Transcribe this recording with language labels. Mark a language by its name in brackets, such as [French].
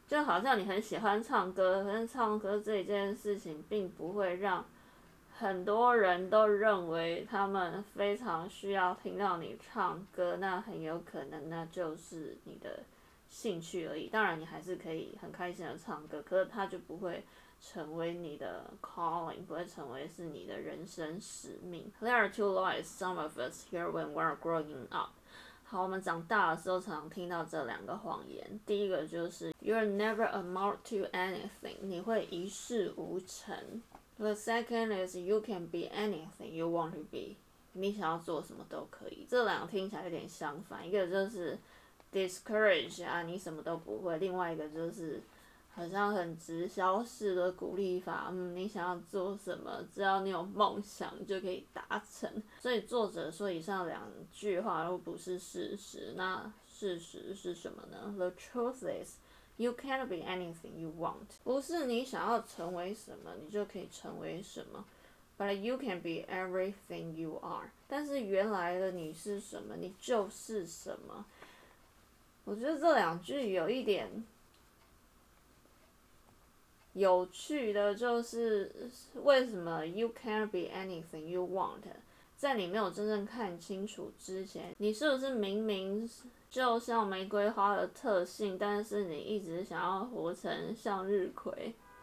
[Chinese] 就好像你很喜欢唱歌，但是唱歌这件事情并不会让很多人都认为他们非常需要听到你唱歌，那很有可能那就是你的兴趣而已。当然你还是可以很开心的唱歌，可是它就不会成为你的 calling， 不会成为是你的人生使命。 [English] There are two lies some of us hear when we're growing up。 [Chinese] 好，我们长大的时候常听到这两个谎言。第一个就是 [English] You're never amount to anything， [Chinese] 你会一事无成。 [English] The second is You can be anything you want to be， [Chinese] 你想要做什么都可以。这两个听起来有点相反，一个就是 discourage 啊，你什么都不会，另外一个就是好像很直销式的鼓励法，你想要做什么，只要你有梦想就可以达成。所以作者说以上两句话都不是事实，那事实是什么呢？ [English] The truth is, you can't be anything you want。 [Chinese] 不是你想要成为什么，你就可以成为什么。 [English] But you can be everything you are。 [Chinese] 但是原来的你是什么，你就是什么。我觉得这两句有一点有趣的，就是为什么 [English] you can't be anything you want， [Chinese] 在你没有真正看清楚之前，你是不是明明就像玫瑰花的特性，但是你一直想要活成向日葵。